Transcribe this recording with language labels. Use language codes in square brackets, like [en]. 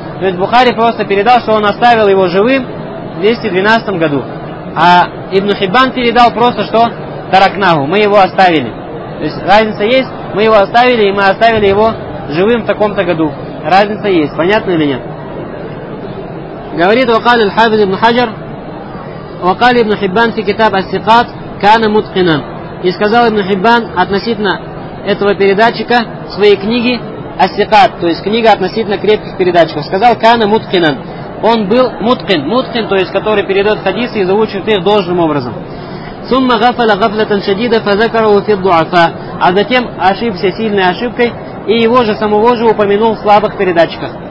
[ru] То есть Бухари просто передал, что он оставил его живым в 212 году. А ибн Хиббан передал просто, что таракнаху, мы его оставили. То есть разница есть, мы его оставили, и мы оставили его живым в таком-то году. Разница есть, понятно или нет? Говорит [ar] وقال الحافظ ابن حجر وقال ابن حبان في كتاب الثقات كان متقنا. [ru] И сказал ибн Хиббан относительно этого передатчика в своей книге Ас-сикат, то есть книга относительно крепких передатчиков. Сказал Кана Муткинан. Он был Муткин. Муткин, то есть который передает хадисы и заучивает их должным образом. [ar] Сумма гафала гафлатан шадида фазакарау фид дуафа. [ru] А затем ошибся сильной ошибкой и его же самого же упомянул в слабых передатчиках.